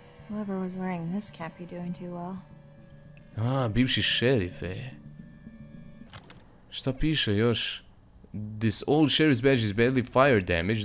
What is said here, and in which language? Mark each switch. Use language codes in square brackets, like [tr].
[en] Whoever was wearing this can't be doing too well. [sr] Bivši šerif, Šta piše još? [en] This old sheriff's badge is badly fire damaged.